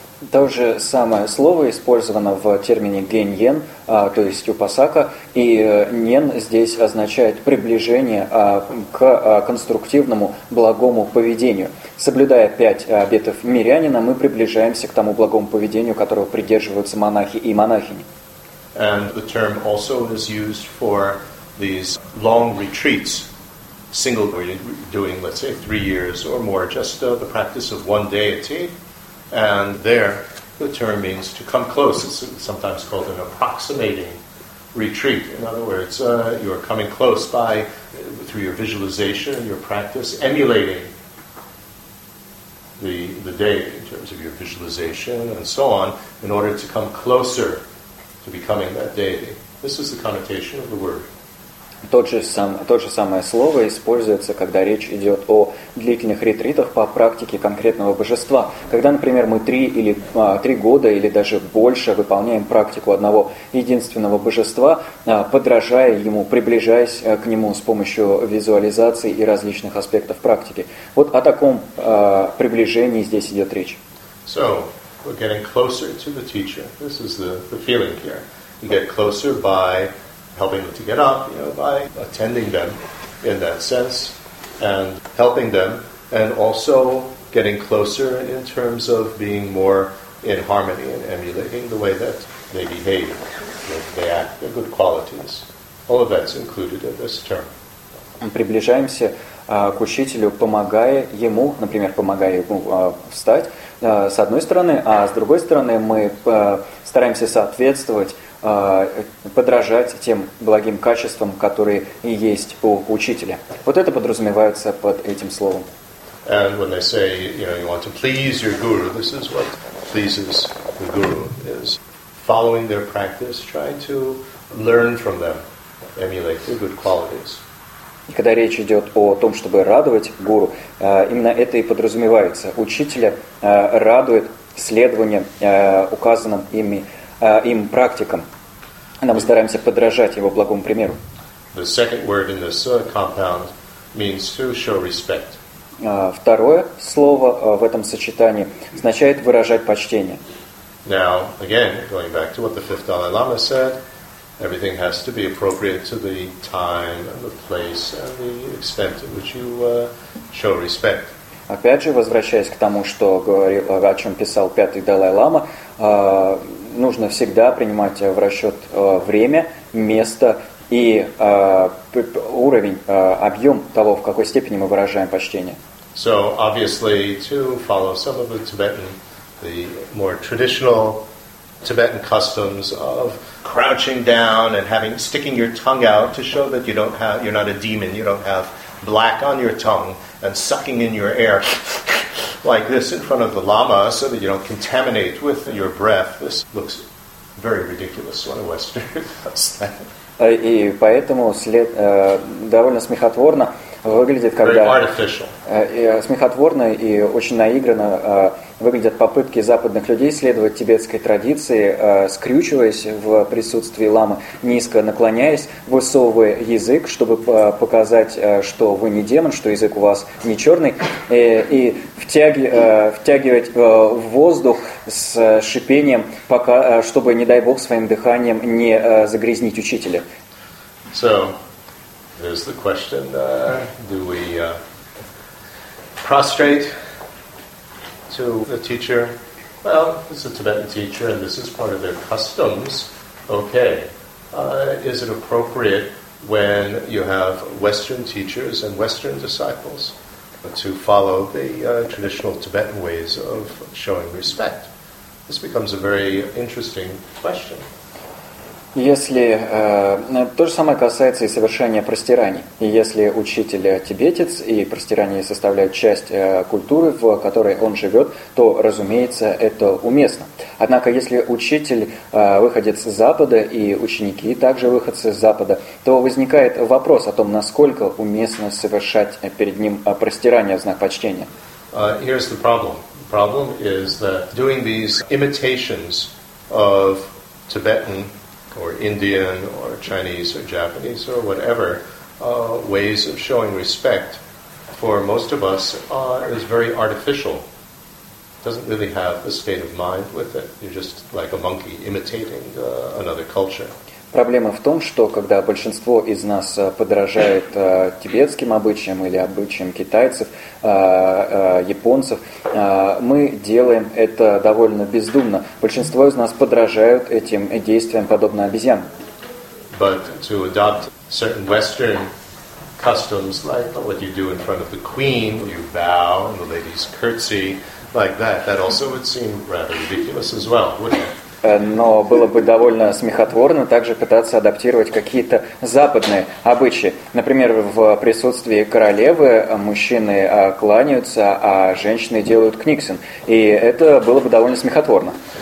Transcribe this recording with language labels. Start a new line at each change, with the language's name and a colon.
Russian: То же самое слово использовано в термине «гэньен», то есть «упасака», и «нен» здесь означает приближение к конструктивному благому поведению. Соблюдая пять обетов мирянина, мы приближаемся к тому благому поведению, которого придерживаются монахи и монахини.
English: And the term also is used for these long retreats, single doing, let's say, 3 years or more, just the practice of one deity. And there, the term means to come close. It's sometimes called an approximating retreat. In other words, you're coming close by, through your visualization, your practice, emulating the deity in terms of your visualization and so on, in order to come closer to becoming that deity. This is the connotation of the word.
Russian: То же самое слово используется, когда речь идет о длительных ретритах по практике конкретного божества. Когда, например, мы три года или даже больше выполняем практику одного единственного божества, подражая ему, приближаясь к нему с помощью визуализации и различных аспектов практики. Вот о таком приближении здесь идет речь.
English: So, we're getting closer to the teacher. This is the feeling here. You get closer by helping them to get up, you know, by attending them in that sense and helping them, and also getting closer in terms of being more in harmony and emulating the way that they behave, that they act, their good qualities. All of that's included in this term.
Russian: Приближаемся к учителю, помогая ему, например, помогая ему встать, с одной стороны, а с другой стороны мы стараемся соответствовать, подражать тем благим качествам, которые и есть у учителя. Вот это подразумевается под этим словом.
English: And when they say, you know, you want to please your guru, this is what pleases the guru, is following their practice, trying to learn from them, emulate their good qualities.
Russian: И когда речь идет о том, чтобы радовать гуру, именно это и подразумевается. Учителя радует следованием указанным им практикам. Нам стараемся подражать его благому примеру.
English: The second word in this compound means to show respect.
Russian: Второе слово в этом сочетании означает выражать почтение.
English: Now, again, going back to what the fifth Dalai Lama said, everything has to be appropriate to the time and the place and the extent in which you show respect.
Russian: Опять же, возвращаясь к тому, что говорил, о чем писал пятый Далай-Лама, нужно всегда принимать в расчет время, место и уровень, объем того, в какой степени мы выражаем почтение.
English: So, obviously, to follow some of the Tibetan, the more traditional Tibetan customs of crouching down and having, sticking your tongue out to show that you don't have, you're not a demon, you don't have black on your tongue, and sucking in your air like this in front of the Lama so that you don't contaminate with your breath. This looks very ridiculous when a Westerner does that.
Russian: И поэтому след довольно смехотворно выглядит, когда смехотворно и очень наигранно выглядят попытки западных людей следовать тибетской традиции, скрючиваясь в присутствии ламы, низко наклоняясь, высовывая язык, чтобы показать, что вы не демон, что язык у вас не черный, и втягивать в воздух с шипением, пока, чтобы, не дай бог, своим дыханием не загрязнить учителя.
English: So, there's the question, do we prostrate to the teacher? Well, this is a Tibetan teacher and this is part of their customs. Okay, is it appropriate when you have Western teachers and Western disciples to follow the traditional Tibetan ways of showing respect? This becomes a very interesting question.
Russian: Если то же самое касается и совершения простираний. И если учитель тибетец, и простирания составляют часть культуры, в которой он живет, то, разумеется, это уместно. Однако, если учитель выходец с Запада, и ученики также выходцы с Запада, то возникает вопрос о том, насколько уместно совершать перед ним простирания в знак почтения.
English: Here's the problem. The problem is that doing these imitations of Tibetan or Indian, or Chinese, or Japanese, or whatever, ways of showing respect for most of us is very artificial. doesn't really have a state of mind with it. You're just like a monkey imitating another culture.
Russian: Проблема в том, что когда большинство из нас подражает тибетским обычаям или обычаям китайцев, японцев, мы делаем это довольно бездумно. Большинство из нас подражают этим действиям, подобно обезьян.
English: But to adopt certain Western customs, like what you do in front of the queen, you bow and the ladies curtsy, like that, that also would seem rather ridiculous as well, wouldn't it?
Russian: Но было бы довольно смехотворно также пытаться адаптировать какие-то западные обычаи. Например, в присутствии королевы мужчины кланяются, а женщины делают книксен. И это было бы довольно смехотворно.